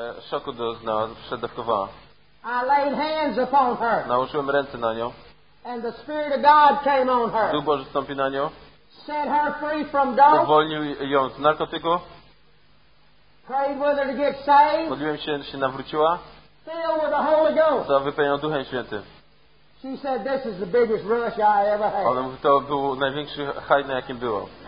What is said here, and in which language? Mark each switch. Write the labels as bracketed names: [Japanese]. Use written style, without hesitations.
[Polish] Szoku doznała, przedawkowała. [English] I laid hands upon her. [Polish] Nałożyłem ręce na nią. [English] And the Spirit of God came on her. [Polish] Duch Boży wstąpił na nią. [English] Set her free from dope. [Polish] Uwolnił ją z narkotyku. [English] Prayed with her to get saved. [Polish] Modliłem się, że się nawróciła. [English] Filled with the Holy Ghost. [Polish] Za wypełnioną Duchem Świętym. [English] She said, "This is the biggest rush I ever had." [Polish] Ona mówi, to był największy haj, na jakim było.